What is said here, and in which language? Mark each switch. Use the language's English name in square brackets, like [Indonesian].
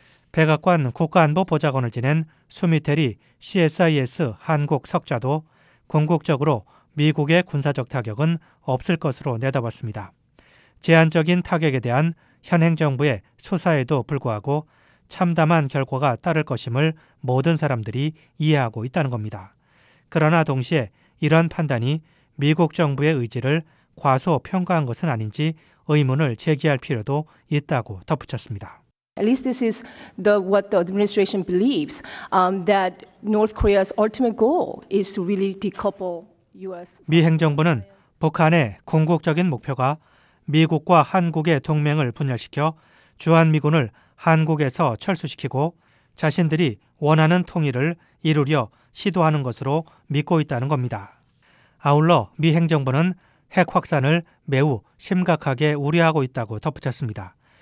[Korean] 백악관 국가안보보좌관을 지낸 수미테리 CSIS 한국 석좌도 궁극적으로 미국의 군사적 타격은 없을 것으로 내다봤습니다. 제한적인 타격에 대한 현행 정부의 수사에도 불구하고 참담한 결과가 따를 것임을 모든 사람들이 이해하고 있다는 겁니다. 그러나 동시에 이런 판단이 미국 정부의 의지를 과소평가한 것은 아닌지 의문을 제기할 필요도 있다고 덧붙였습니다. [English] At least this is the what the administration believes that North Korea's ultimate goal is to really decouple US. [Korean] 미 행정부는 북한의 궁극적인 목표가 미국과 한국의 동맹을 분열시켜 주한미군을 한국에서 철수시키고 자신들이 원하는 통일을 이루려 시도하는 것으로 믿고 있다는 겁니다. 아울러 미 행정부는 핵 확산을 매우 심각하게 우려하고 있다고 덧붙였습니다.